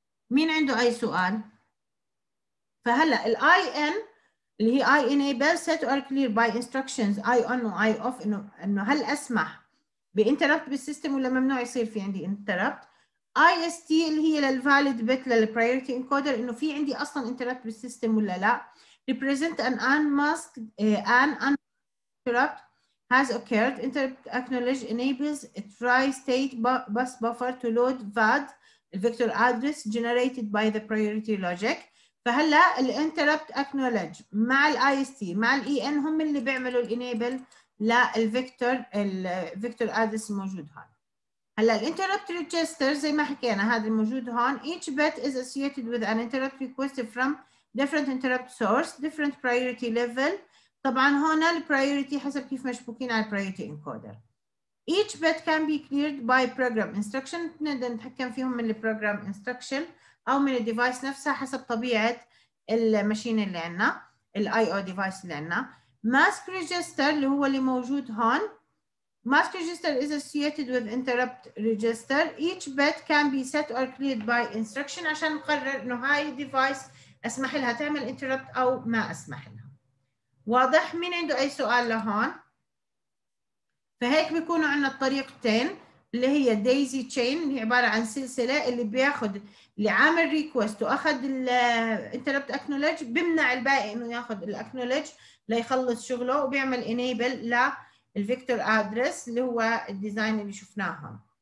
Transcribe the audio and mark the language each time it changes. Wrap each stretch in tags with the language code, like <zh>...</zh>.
<ar>مين عنده اي سؤال؟ فهلا الاي ان اللي هي</ar> <en>I enable set or clear by instructions I on واي off,</en> <ar>انه هل اسمح بانتربت بالسيستم ولا ممنوع يصير في عندي انتربت. اي اس تي اللي هي للفاليد بت للبرايورتي انكودر، انه في عندي اصلا انتربت بالسيستم ولا لا.</ar> <en>Represent an unmasked an interrupt has occurred. Interrupt acknowledge enables a tri-state bus buffer to load VAD vector address generated by the priority logic.</en> <ar>فهلا ال interrupt acknowledge مع ال IST مع ال EN هم اللي بيعملوا ال enable لل vector ال vector address موجود هون. هلا ال interrupt register زي ما حكينا هذا الموجود هون.</ar> <en>Each bit is associated with an interrupt request from different interrupt source, different priority level.</en> <ar>طبعا هون ال priority حسب كيف مشبوكين على priority encoder.</ar> <en>Each bit can be cleared by program instruction.</en> <ar>نقدر نتحكم فيهم من ال program instruction أو من ال device نفسها حسب طبيعة المشين اللي عنا، ال IO device اللي عنا. Mask register اللي هو اللي موجود هون.</ar> <en>Mask register is associated with interrupt register. Each bit can be set or cleared by instruction</en> <ar>عشان نقرر إنه هاي device اسمح لها</ar> <en>تعمل انتربت او ما اسمح لها.</en> <ar>واضح؟ مين عنده اي سؤال لهون؟ فهيك بيكونوا عندنا الطريقتين اللي هي دايزي تشين اللي عباره عن سلسله، اللي بياخذ اللي عامل ريكوست واخذ الانتربت اكنولج بيمنع الباقي انه ياخذ الاكنولج ليخلص شغله، وبيعمل انيبل للفيكتور ادرس اللي هو الديزاين اللي شفناها.</ar>